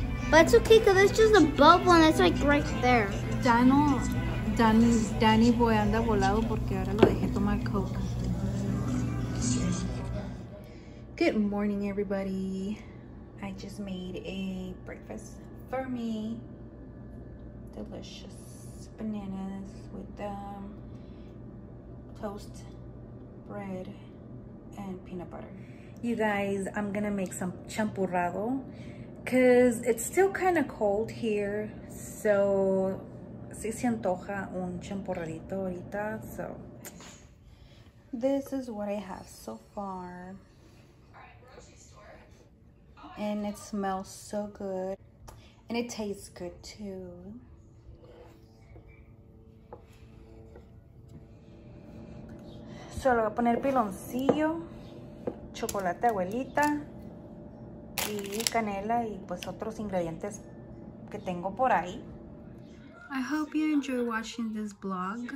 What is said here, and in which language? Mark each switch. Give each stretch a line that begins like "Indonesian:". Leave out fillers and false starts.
English: But it's okay, because it's just above one. It's like right there.
Spanish: Danny boy anda volado porque ahora lo dejé tomar coke.
English: Good morning, everybody. I just made a breakfast for me. Delicious bananas with toast, bread, and peanut butter. You guys, I'm gonna make some champurrado because it's still kind of cold here.
Spanish: So, si se antoja un champurradito ahorita.
English: So, this is what I have so far. And it smells so good. And it tastes good too.
Spanish: So, lo voy a poner piloncillo. Chocolate abuelita y canela y pues otros ingredientes que tengo por ahí.
English: I hope you enjoy watching this vlog. Don't forget to subscribe, comment below,